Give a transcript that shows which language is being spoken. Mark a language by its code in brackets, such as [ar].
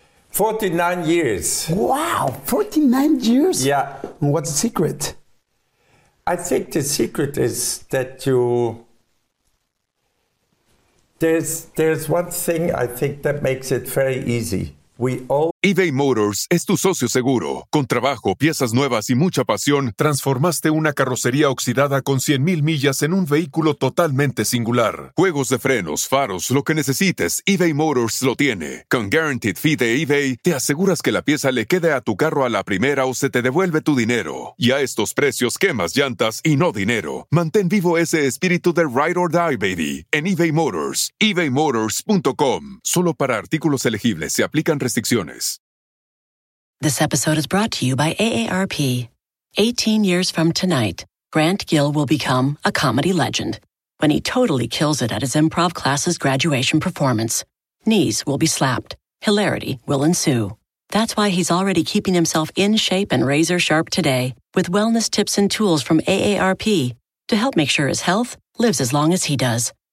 [en] 49 years. Wow, 49 years? Yeah. And what's the secret? I think the secret is that you... There's one thing I think that makes it very easy. We all... [es] eBay Motors es tu socio seguro. Con trabajo, piezas nuevas y mucha pasión, transformaste una carrocería oxidada con 100,000 millas en un vehículo totalmente singular. Juegos de frenos, faros, lo que necesites, eBay Motors lo tiene. Con Guaranteed Fee de eBay, te aseguras que la pieza le quede a tu carro a la primera o se te devuelve tu dinero. Y a estos precios, quemas llantas y no dinero. Mantén vivo ese espíritu de [en] Ride or Die, baby, [es] en eBay Motors. eBayMotors.com. Solo para artículos elegibles. Se aplican restricciones. [en] This episode is brought to you by AARP. 18 years from tonight, Grant Gill will become a comedy legend when he totally kills it at his improv class's graduation performance. Knees will be slapped. Hilarity will ensue. That's why he's already keeping himself in shape and razor sharp today with wellness tips and tools from AARP to help make sure his health lives as long as he does.